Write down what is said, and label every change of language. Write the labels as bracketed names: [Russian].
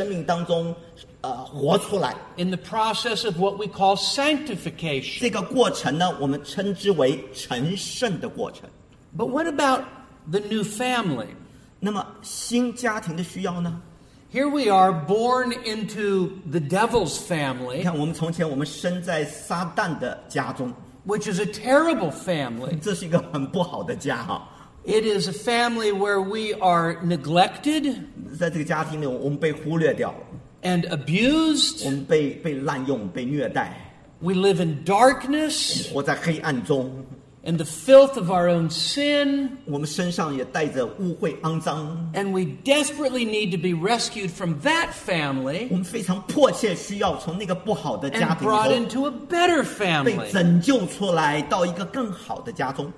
[English] In the process of what we call sanctification. [Chinese] 这个过程呢, 我们称之为成圣的过程。 [English] But what about the new family? [Chinese] 那么新家庭的需要呢? [English] Here we are, born into the devil's family, [Chinese] 你看我们从前我们生在撒旦的家中, [English] which is a terrible family. [Chinese] 这是一个很不好的家啊。 [English] It is a family where we are neglected. [Chinese] 在这个家庭里我们被忽略掉了。 [English] And abused. [Chinese] 我们被滥用，被虐待。 [English] We live in darkness. [Chinese] 活在黑暗中。 [English] And the filth of our own sin. [Chinese] 我们身上也带着污秽肮脏。 [English] And we desperately need to be rescued from that family. [Chinese] 我们非常迫切需要从那个不好的家庭中。 [English] And brought into a better family. [Chinese] 被拯救出来到一个更好的家中。